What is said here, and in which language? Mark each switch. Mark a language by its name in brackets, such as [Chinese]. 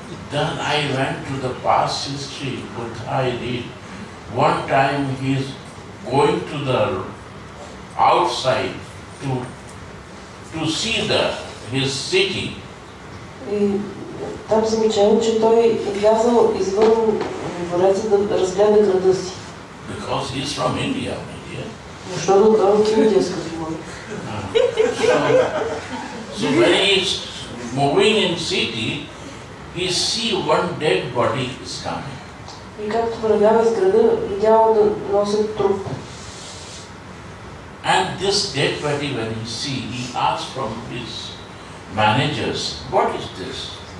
[English] Then I went to the past history, Buddha I read. One time he is going to the outside to see the his city. [Bulgarian] Там замечавам, че той е влязал извън двореца да разгледа града си. [English] Because he is from India, my dear. [Bulgarian] Защото той е от Индия, скъпи мой. [English] So when he is moving in city, he see one dead body is coming. [Bulgarian] И както вървява из града, видял да носят труп. [English] And this dead body, when he see, he asks from his managers, what is this?